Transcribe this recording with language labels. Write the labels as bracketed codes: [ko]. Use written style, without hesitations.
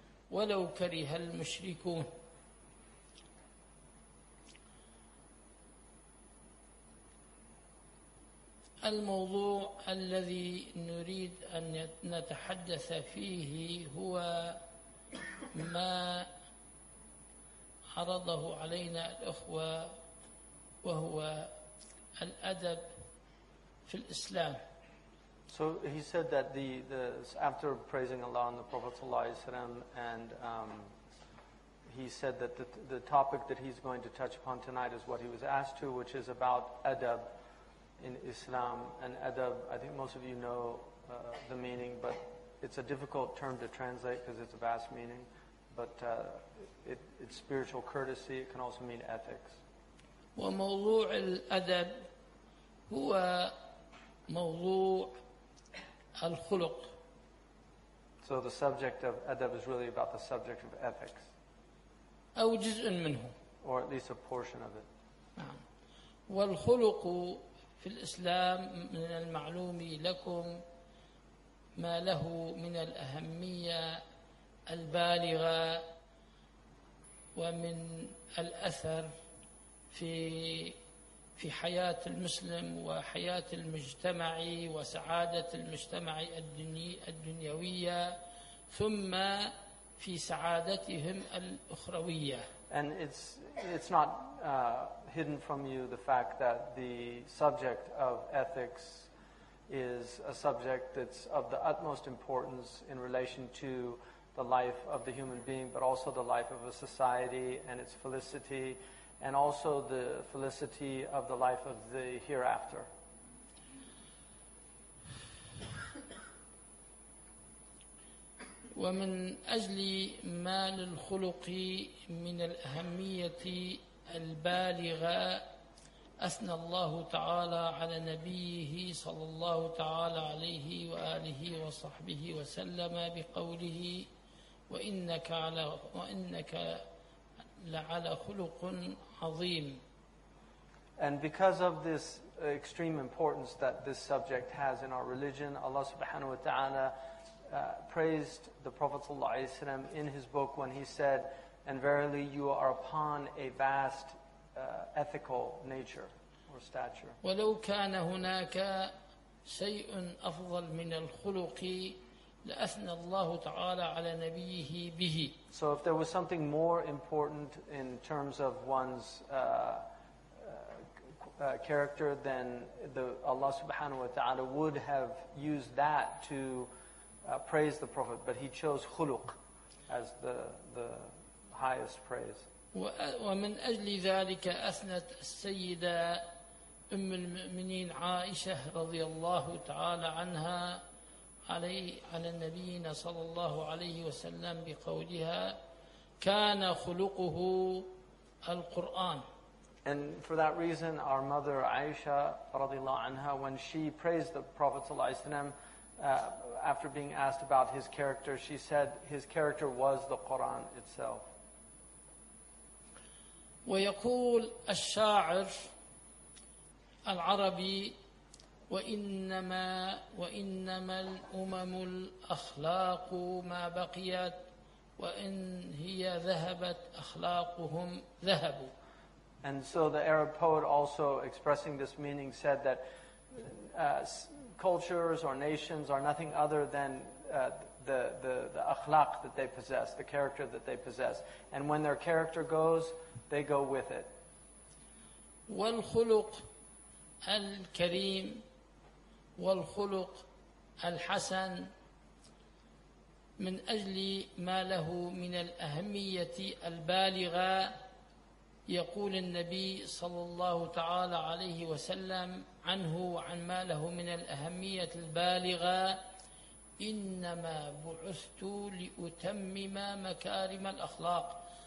[ar] ولو كره المشركون الموضوع الذي نريد أن نتحدث فيه هو ما عرضه علينا الأخوة وهو الأدب في الإسلام. [en] So he said that the after praising Allah and the Prophet sallallahu alaihi wasallam and he said that the topic that he's going to touch upon tonight is what he was asked to, which is about adab in Islam. And adab, I think most of you know the meaning, but it's a difficult term to translate because it's a vast meaning. But it's spiritual courtesy. It can also mean ethics. [ar] وموضوع الأدب هو موضوع الخلق. [en] So the subject of adab is really about the subject of ethics. [ar] أو جزء منه. [en] Or at least a portion of it. [ar] والخلق في الإسلام من المعلوم لكم ما له من الأهمية البالغة ومن الأثر في حياة المسلم وحياة المجتمع وسعادة المجتمع الدنيوية ثم في سعادتهم الأخروية. [en] And it's not hidden from you the fact that the subject of ethics is a subject that's of the utmost importance in relation to the life of the human being, but also the life of a society and its felicity, and also the felicity of the life of the hereafter. [ar] ومن أجل ما للخلق من الأهمية البالغة أثنى الله تعالى على نبيه صلى الله تعالى عليه وآله وصحبه وسلم بقوله وإنك لعلى خلق عظيم. [en] And because of this extreme importance that this subject has in our religion, Allah subhanahu wa ta'ala praised the Prophet ﷺ in his book when he said, "And verily, you are upon a vast ethical nature or stature." [ar] ولو كان هناك شيء أفضل من الخلق لأثنى الله تعالى على نبيه به. [en] So, if there was something more important in terms of one's character, then the Allah subhanahu wa taala would have used that to praise the Prophet, but he chose khuluq as the highest praise. [ar] ومن أجل ذلك أثنت السيدة أم المؤمنين عائشة رضي الله تعالى عنها على نبينا صلى الله عليه وسلم بقولها كان خلقه القرآن. [en] And for that reason, our mother Aisha [ar] رضي الله عنها, [en] when she praised the Prophet [ar] صلى الله عليه وسلم, [en] after being asked about his character, she said his character was the Quran itself. [ar] ويقول الشاعر العربي وإنما الأمم الأخلاق ما بقيت وإن هي ذهبت أخلاقهم ذهبوا. [en] And so the Arab poet, also expressing this meaning, said that cultures or nations are nothing other than the akhlaq that they possess, the character that they possess. And when their character goes, they go with it. [ar] والخلق الكريم والخلق الحسن من أجل ما له من الأهمية البالغة يقول النبي صلى الله تعالى عليه وسلم عنه وعن ما له من الأهمية البالغة إنما بعثت لأتمم مكارم الأخلاق.